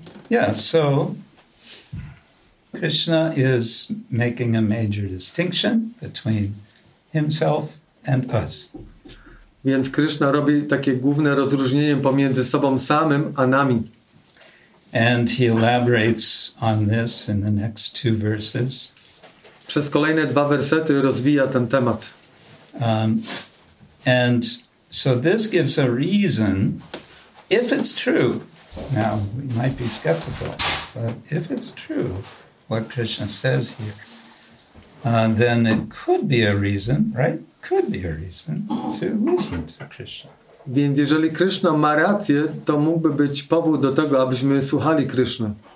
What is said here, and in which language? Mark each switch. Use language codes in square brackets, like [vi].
[en] Yeah, so Krishna is making a major distinction between himself and us. [pl] Więc Krishna robi takie główne rozróżnienie pomiędzy sobą samym a nami. [en] And he elaborates on this in the next two verses. [pl] Przez kolejne dwa wersety rozwija ten temat. [en] And so this gives a reason, if it's true, now we might be skeptical, but if it's true what Krishna says here, then it could be a reason, right? Could be a reason to listen to Krishna. [pl] Więc jeżeli Krishna ma rację, to mógłby być powód do tego, abyśmy słuchali Krishna.